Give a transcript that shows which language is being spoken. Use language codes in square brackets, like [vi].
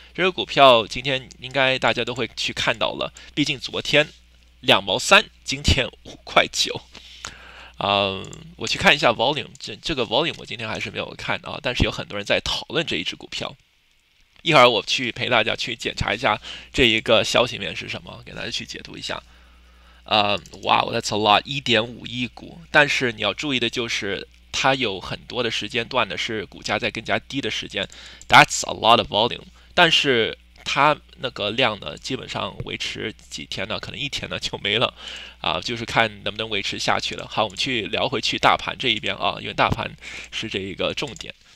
[zh] 这个股票今天应该大家都会去看到了，毕竟昨天2.3毛，今天5.9块。我去看一下 volume， 这个 volume 我今天还是没有看啊，但是有很多人在讨论这一只股票。一会儿我去陪大家去检查一下这一个消息面是什么，给大家去解读一下。 [en] Wow, that's a lot, 1.5 [zh] 亿股。但是你要注意的就是，它有很多的时间段的是股价在更加低的时间。 [en] That's a lot of volume。 [zh] 但是它那个量呢，基本上维持几天呢？可能一天呢就没了。就是看能不能维持下去了。好，我们去聊回去大盘这一边啊，因为大盘是这一个重点。